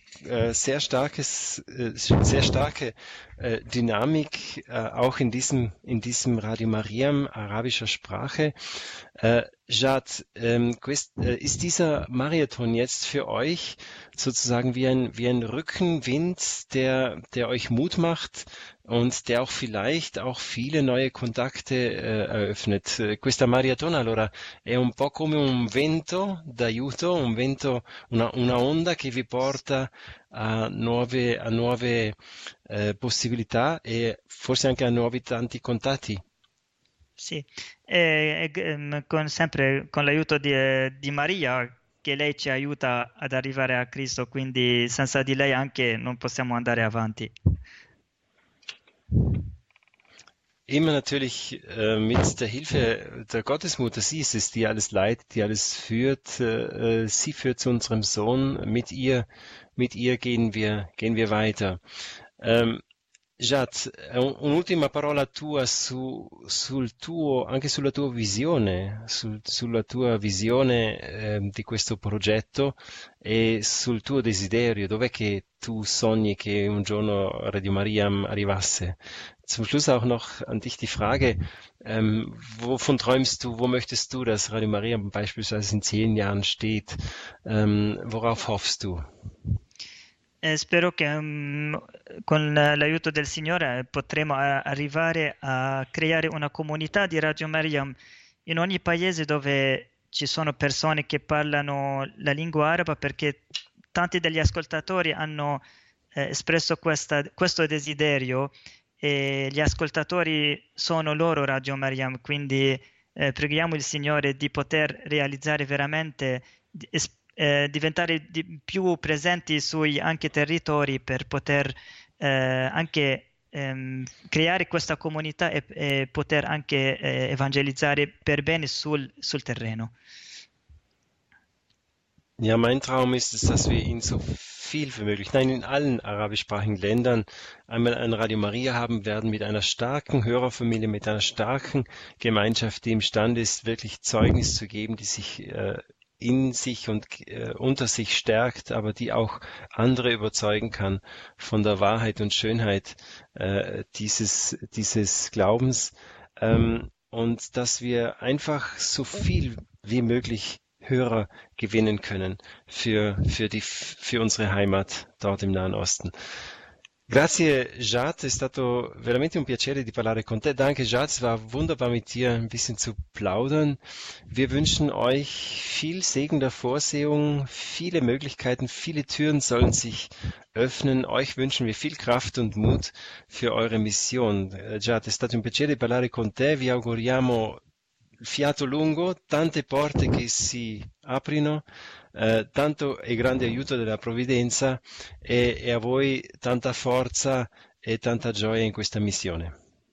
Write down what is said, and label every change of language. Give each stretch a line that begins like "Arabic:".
German: Sehr starke Dynamik auch in diesem Radio Mariam arabischer Sprache. Jad, ist dieser Marathon jetzt für euch sozusagen wie ein Rückenwind, der euch Mut macht und der auch vielleicht auch viele neue Kontakte eröffnet?
Italian: Questa Marathon allora è un po' come un vento d'aiuto, un vento, una onda che vi porta a nuove possibilità e forse anche a nuovi tanti contatti. Sì, sempre con l'aiuto di Maria, che lei ci aiuta ad arrivare a Cristo, quindi senza di lei anche non possiamo andare avanti.
German: Immer natürlich mit der Hilfe der Gottesmutter, sie ist es, die alles leitet, die alles führt, sie führt zu unserem Sohn, mit ihr gehen wir weiter.
Italian: Jad, un'ultima parola tua sulla tua visione di questo progetto e sul tuo desiderio, dov'è che tu sogni che un giorno Radio Mariam arrivasse?
German: Zum Schluss auch noch an dich die Frage, wovon träumst du, wo möchtest du, dass Radio Mariam beispielsweise in 10 Jahren steht, worauf hoffst du?
Italian: Spero che con l'aiuto del Signore potremo arrivare a creare una comunità di Radio Mariam in ogni paese dove ci sono persone che parlano la lingua araba, perché tanti degli ascoltatori hanno espresso questo desiderio e gli ascoltatori sono loro Radio Mariam, quindi preghiamo il Signore di poter realizzare veramente diventare più presenti sui anche territori per poter anche creare questa comunità e poter anche evangelizzare per bene sul terreno.
German: Ja, mein Traum ist es, dass wir in so viel wie möglich, nein, in allen arabischsprachigen Ländern einmal ein Radio Maria haben werden mit einer starken Hörerfamilie, mit einer starken Gemeinschaft, die imstande ist, wirklich Zeugnis zu geben, die sich in sich und unter sich stärkt, aber die auch andere überzeugen kann von der Wahrheit und Schönheit dieses Glaubens. Und dass wir einfach so viel wie möglich Hörer gewinnen können für unsere Heimat dort im Nahen Osten. Grazie, Jad, è stato veramente un piacere di parlare con te. Danke, Jad, es war wunderbar mit dir ein bisschen zu plaudern. Wir wünschen euch viel Segen der Vorsehung, viele Möglichkeiten, viele Türen sollen sich öffnen. Euch wünschen wir viel Kraft und Mut für eure Mission.
Italian: Jad, è stato un piacere parlare con te. Vi auguriamo fiato lungo, tante porte che si aprono, tanto e grande aiuto della provvidenza e a voi tanta forza e tanta gioia in questa missione.